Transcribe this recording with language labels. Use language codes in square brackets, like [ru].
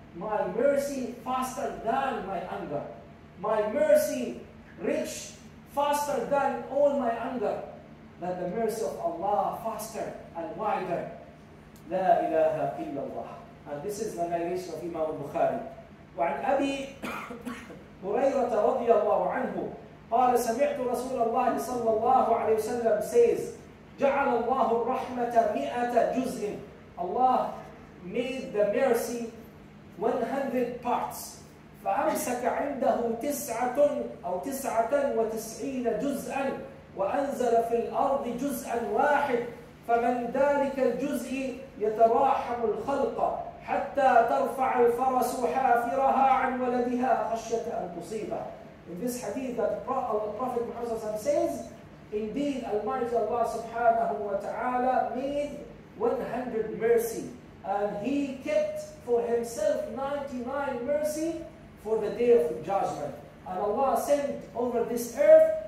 [en] My mercy faster than my anger. My mercy reach faster than all my anger. That the mercy of Allah faster and wider. [ar] لا إله إلا الله. [en] And this is the narration of Imam al-Bukhari. [ar] وعن أبي هريرة رضي الله عنه قال سمعت رسول الله صلى الله عليه وسلم says, جعل الله الرحمة 100 جزء. [en] Allah made the mercy 100 parts. [ar] فأمسك عنده 99 جزءا وأنزل في الأرض جزءا واحد فمن ذلك الجزء يتراحم الخلق حتى ترفع الفرس حافرها عن ولدها خشية أن تصيبه. [en] In this hadith that Prophet Muhammad says, indeed Almighty Allah subhanahu wa ta'ala made 100 mercy, and he kept for himself 99 mercy for the day of judgment. And Allah sent over this earth